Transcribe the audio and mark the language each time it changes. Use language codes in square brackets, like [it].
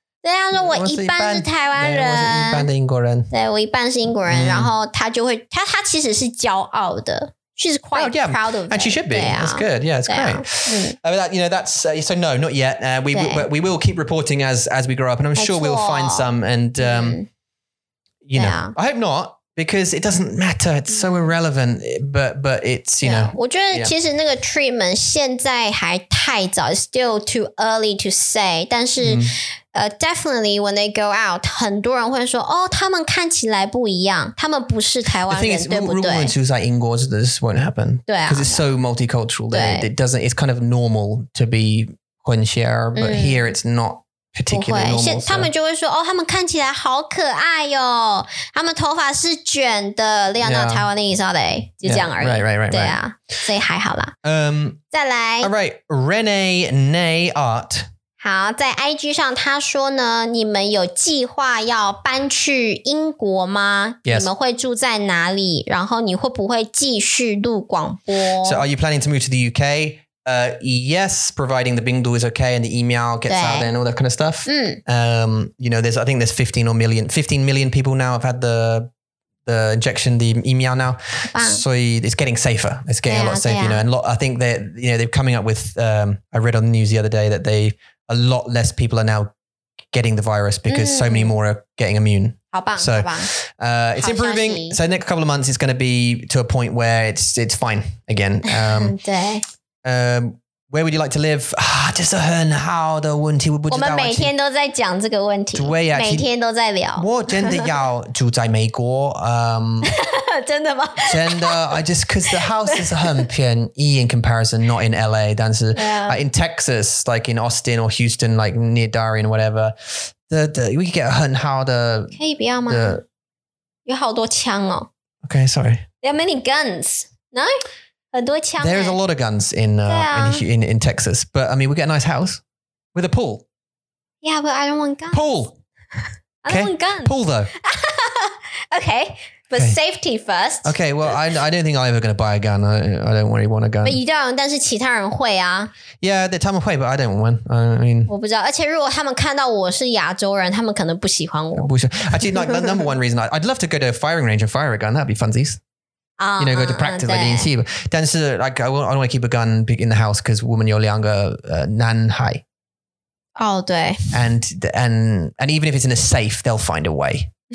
[zh] 对啊，说我一半是台湾人，我一半的英国人，对，我一半是英国人，然后他就会，他其实是骄傲的。 [en] She's quite proud of it. And she should be. That's good. Yeah, it's great. But that, you know, that's, so no, not yet. We will keep reporting as we grow up, and I'm sure we'll find some. And, you know, I hope not, because it doesn't matter. It's so irrelevant, but it's, you know. [zh] 我觉得其实那个 treatment 现在还太早, [en] it's still too early to say, [zh] 但是, [en] definitely when they go out, [zh] 很多人会说, oh, 他们看起来不一样, 他们不是台湾人, [en] the thing is, who's this won't happen. Because it's so multicultural that it doesn't, it's kind of normal to be 混血儿, but here it's not particularly normal. [zh] 现, 他们就会说, oh, 他们看起来好可爱哟, 他们头发是卷的, [en] they are not Taiwanese, are they? [zh] 就这样而已。 [en] Right. [zh] 所以还好啦。再来。 [en] All right, Rene Nay Art. [zh] 好, 在IG上 他说呢, 你们有计划要搬去英国吗? [en] Yes. [zh] 你们会住在哪里?然后你会不会继续录广播? [en] So are you planning to move to the UK? Yes, providing the Bingdu is okay and the email gets out there and all that kind of stuff. You know, there's, I think there's 15 million people now have had the injection, the email now. So it's getting safer. It's getting a lot safer, you know, and I think that, you know, they're coming up with, I read on the news the other day that they, a lot less people are now getting the virus because so many more are getting immune. [zh] 好棒, [en] so, it's improving. So next couple of months, it's going to be to a point where it's fine again. where would you like to live? [zh] Ah, 这是很好的问题，我不知道。我们每天都在讲这个问题，每天都在聊。我真的要住在美国。真的吗？真的。 [en] I just because the house is [zh] 很便宜 [en] in comparison, not in LA. [zh] 但是 [en] in Texas, like in Austin or Houston, like near Darien, whatever, we could get [zh] 很好的。可以不要吗？有好多枪哦。 [en] Okay, sorry. There are many guns. No. There is a lot of guns in Texas, but I mean, we get a nice house with a pool. Yeah, but I don't want guns. Pool. I don't want guns. Pool though. Okay, but safety first. Okay, well, I don't think I'm ever going to buy a gun. I don't really want a gun. But you don't, [zh] 但是其他人会啊。 [en] Yeah, they will, but I don't want one. I mean, [zh] 我不知道，而且如果他们看到我是亚洲人，他们可能不喜欢我。不是， [en] actually, like the number one reason, I'd love to go to a firing range and fire a gun. That'd be funsies. You know, go to practice like DNC. But then, like, I don't want to keep a gun in the house because [zh] woman yo liang nan hai. [en] Oh, day. And even if it's in a safe, they'll find a way.